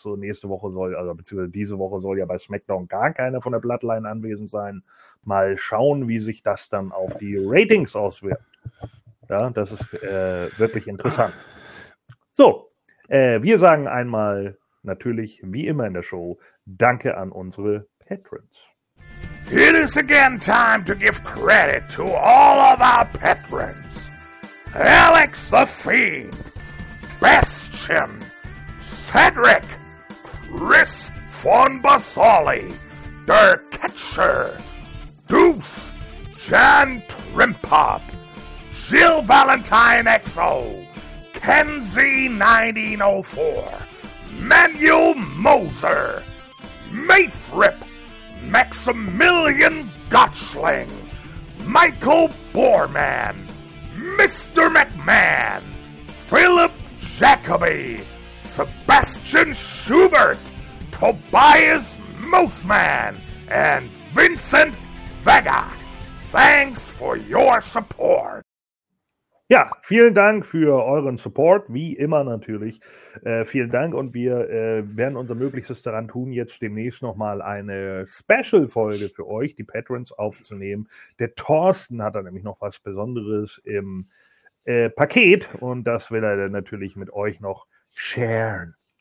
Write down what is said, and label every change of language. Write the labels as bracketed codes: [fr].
[de] So nächste Woche soll, also beziehungsweise diese Woche soll ja bei SmackDown gar keiner von der Bloodline anwesend sein. Mal schauen, wie sich das dann auf die Ratings auswirkt. Ja, das ist wirklich interessant. So, wir sagen einmal natürlich, wie immer in der Show, danke an unsere Patrons. [en] It is again time to give credit to all of our patrons. Alex the Fiend, Bastion, Cedric, Chris von Basoli, Der Catcher, Deuce, Jan Trimpop, Jill Valentine XO, Kenzie 1904, Manuel Moser, Mayfrip, Maximilian Gotchling, Michael Boorman, Mr. McMahon, Philip Jacoby, Sebastian Schubert, Tobias Moseman, and Vincent Vega. Thanks for your support. [de] Ja, vielen Dank für euren Support, wie immer natürlich. Vielen Dank und wir werden unser Möglichstes daran tun, jetzt demnächst nochmal eine Special-Folge für euch, die Patrons, aufzunehmen. Der Thorsten hat da nämlich noch was Besonderes im Paket und das will er dann natürlich mit euch noch sharen.